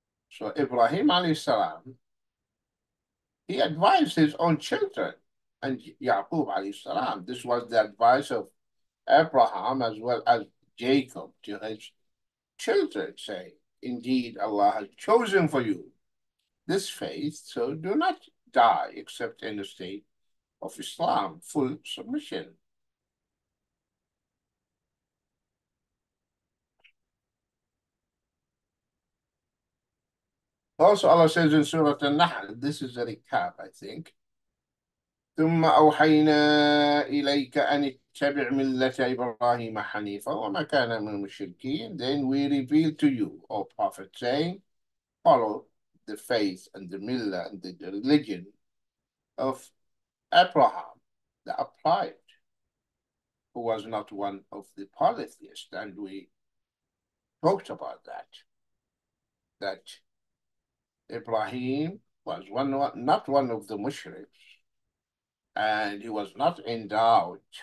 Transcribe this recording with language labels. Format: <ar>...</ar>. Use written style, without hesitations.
<en>So Ibrahim alayhi salam, he advised his own children, and Yaqub alayhi salam, this was the advice of Abraham as well as Jacob to his children, saying, indeed Allah has chosen for you this faith, so do not die except in a state of Islam, full submission. Also, Allah says in Surah An-Nahl, this is a recap, I think.</en> <ar>ثم أوحينا إليك أن اتبع ملة إبراهيم حنيفا وما كان من المشركين.</ar> <en>Then we reveal to you, O Prophet, saying, follow the faith and the millah and the religion of Abraham, the upright, who was not one of the polytheists. And we talked about that, that Ibrahim was one, not one of the mushriks, and he was not in doubt.</en>